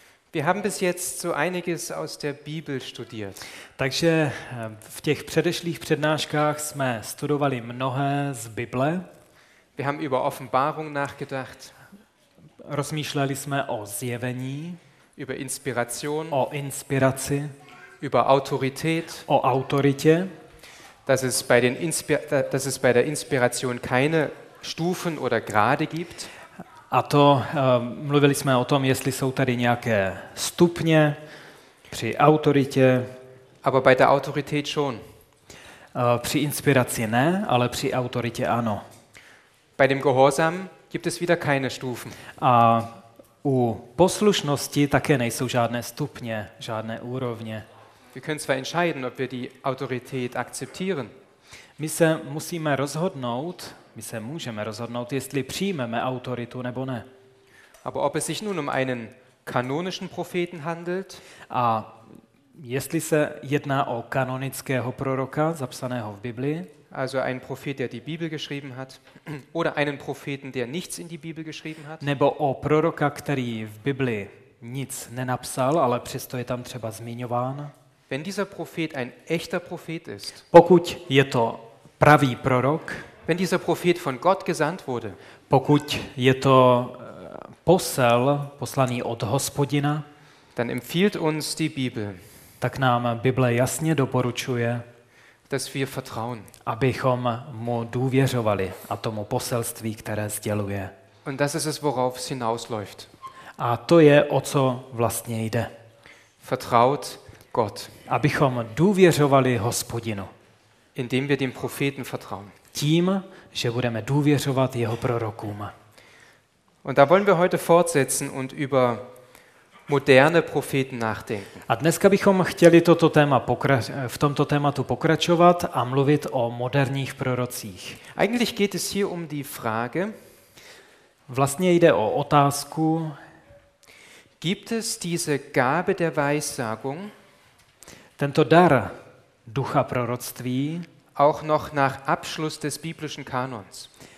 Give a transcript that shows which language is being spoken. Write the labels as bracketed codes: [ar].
[de] Wir haben bis jetzt so einiges aus der Bibel studiert. [cs] Takže v těch předešlých přednáškách jsme studovali mnohé z Bible. [de] Wir haben über Offenbarung nachgedacht. [cs] Rozmýšleli jsme o zjevení, [de] über Inspiration, [cs] o inspiraci, [de] über Autorität, [cs] o autoritě. [de] Dass es bei der Inspiration keine Stufen oder Grade gibt. [cs] A to mluvili jsme o tom, jestli jsou tady nějaké stupně při autoritě. [de] Aber bei der Autorität schon. [cs] Při inspiraci ne, ale při autoritě ano. [de] Bei dem Gehorsam gibt es wieder keine Stufen. [cs] A u poslušnosti také nejsou žádné stupně, žádné úrovně. [de] Wir können zwar entscheiden, ob wir die Autorität akzeptieren. [cs] My se musíme rozhodnout, my se můžeme rozhodnout, jestli přijmeme autoritu nebo ne. [de] Aber ob es sich nun um einen kanonischen Propheten handelt, [cs] a jestli se jedná o kanonického proroka zapsaného v Biblii, [de] also ein Prophet, der die Bibel geschrieben hat, oder einen Propheten, der nichts in die Bibel geschrieben hat, [cs] nebo o proroka, který v Biblii nic nenapsal, ale přesto je tam třeba zmiňován. [de] Wenn dieser Prophet ein echter Prophet ist, [cs] pokud je to pravý prorok, [de] wenn dieser Prophet von Gott gesandt wurde, [cs] pokud je to posel poslaný od Hospodina, [de] dann empfiehlt uns die Bibel, [cs] tak nám Bible jasně doporučuje, [de] dass wir vertrauen, [cs] abychom mu důvěřovali a tomu poselství, které sděluje. [de] Und das ist es, worauf es hinausläuft. [cs] A to je, o co vlastně jde. [de] Vertraut Gott. [cs] Abychom důvěřovali Hospodinu. [de] Indem wir dem Propheten vertrauen. [cs] Tím, že budeme důvěřovat jeho prorokům. [de] Und da wollen wir heute fortsetzen und über moderne Propheten nachdenken. [cs] A dneska bychom chtěli toto téma v tomto tématu pokračovat a mluvit o moderních prorocích. [de] Eigentlich geht es hier um die Frage. [cs] Vlastně jde o otázku. [de] Gibt es diese Gabe der Weissagung? [cs] Tento dar ducha proroctví [de] auch noch nach Abschluss des biblischen Kanons.